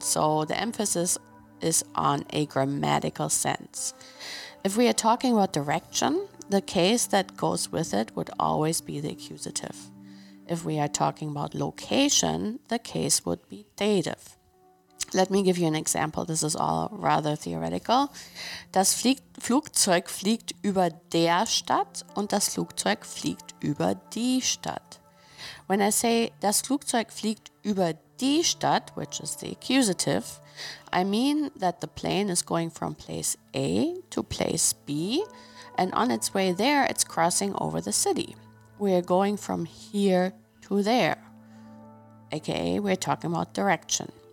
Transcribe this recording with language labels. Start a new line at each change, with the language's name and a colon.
English: So the emphasis is on a grammatical sense. If we are talking about direction, the case that goes with it would always be the accusative. If we are talking about location, the case would be dative. Let me give you an example. This is all rather theoretical.
German: Das Flugzeug fliegt über der Stadt und das Flugzeug fliegt über die Stadt.
English: When I say
German: das Flugzeug fliegt über die Stadt,
English: which is the accusative, I mean that the plane is going from place A to place B, and on its way there, it's crossing over the city. We are going from here to there, aka we're talking about direction.